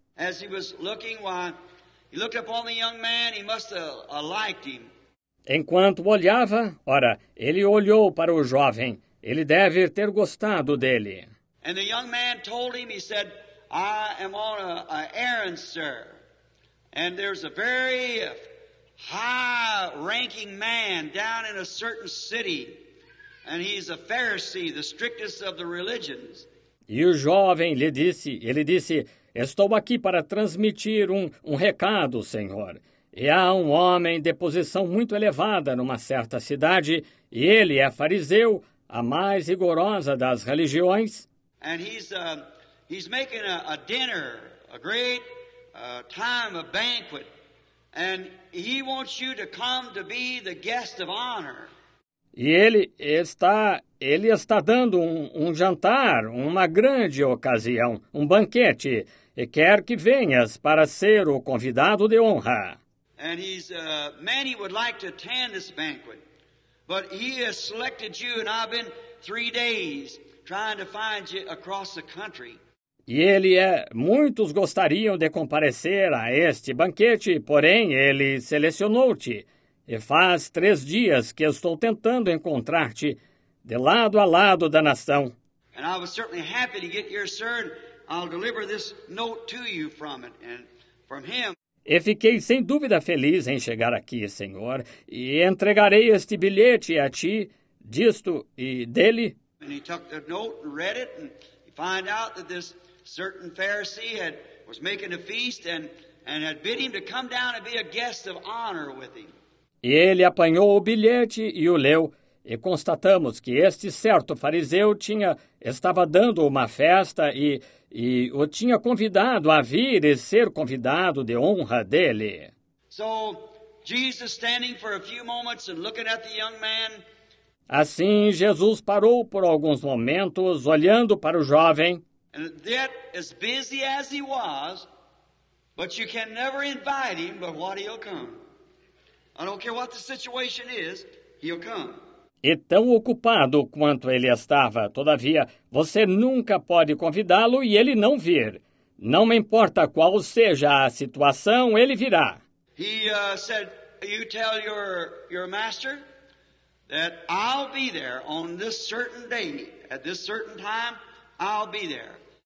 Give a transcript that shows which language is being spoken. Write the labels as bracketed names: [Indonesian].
[English] As he was looking, why, he looked upon the young man, he must have liked him. [Portuguese] Enquanto olhava, ora, ele olhou para o jovem. Ele deve ter gostado dele. [English] And the young man told him, he said, I am on an errand, sir. And there's a very high-ranking man down in a certain city. And he's a Pharisee, the strictest of the religions. [Portuguese] E o jovem lhe disse, ele disse, estou aqui para transmitir um recado, senhor. E há um homem de posição muito elevada numa certa cidade, e ele é fariseu, a mais rigorosa das religiões. [English] And he's making a dinner, a great time, a banquet, and he wants you to come to be the guest of honor. [Portuguese] E ele está dando um jantar, uma grande ocasião, um banquete, e quer que venhas para ser o convidado de honra. [English] And he's many would like to attend this banquet, but he has selected you, and I've been 3 days trying to find you across the country. [Portuguese] E ele é, muitos gostariam de comparecer a este banquete, porém ele selecionou-te. E faz 3 dias que estou tentando encontrar-te de lado a lado da nação. [English] And I was certainly happy to get here, sir, and I'll deliver this note to you from it and from him. [Portuguese] E fiquei sem dúvida feliz em chegar aqui, senhor, e entregarei este bilhete a ti, disto e dele. [English] And he took the note and read it and found out that this certain Pharisee was making a feast and had bid him to come down and be a guest of honor with him. [Portuguese] E ele apanhou o bilhete e o leu, e constatamos que este certo fariseu estava dando uma festa e o tinha convidado a vir e ser convidado de honra dele. [English] So, Jesus standing for a few moments and looking at the young man. [Portuguese] Assim, Jesus parou por alguns momentos olhando para o jovem. [English] And yet, as busy as he was, but you can never invite him but what he'll come. I don't care what the situation is, he'll come. [Portuguese] E tão ocupado quanto ele estava, todavia, você nunca pode convidá-lo e ele não vir. Não me importa qual seja a situação, ele virá. [English] He said, you tell your master that I'll be there on this certain day, at this certain time, I'll be there.